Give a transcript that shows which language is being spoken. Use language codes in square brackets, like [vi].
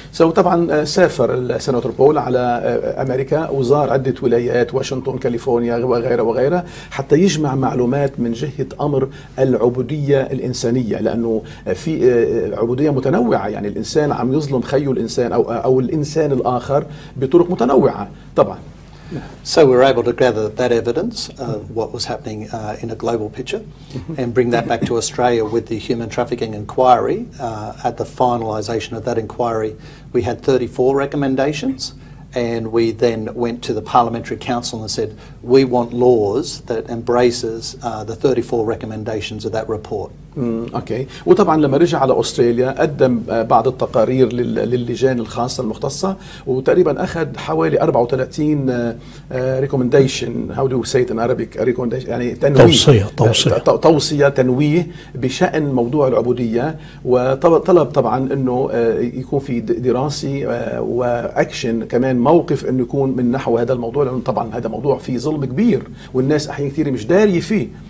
[ar] So طبعا سافر السناتور بول على امريكا وزار عدة ولايات، واشنطن، كاليفورنيا وغيرها وغيرها، حتى يجمع معلومات من جهة امر العبودية الانسانية، لانه في عبودية متنوعة، يعني الانسان عم يظلم خيو الانسان او الانسان الاخر بطرق متنوعة. طبعا [en] So we were able to gather that evidence of what was happening in a global picture and bring that back to Australia with the human trafficking inquiry. At the finalisation of that inquiry, we had 34 recommendations, and we then went to the Parliamentary Council and said, we want laws that embraces the 34 recommendations of that report. [ar] أوكي. وطبعا لما رجع على أستراليا قدم بعض التقارير للجان الخاصة المختصة، وتقريبا أخذ حوالي 34 recommendation. [en] How do you say it in Arabic? [ar] يعني توصية تنويه بشأن موضوع العبودية، وطلب طبعا أنه يكون في دراسة وأكشن كمان، موقف أنه يكون من نحو هذا الموضوع، لأنه طبعا هذا موضوع فيه ظلم كبير والناس أحيانا كثير مش داري فيه.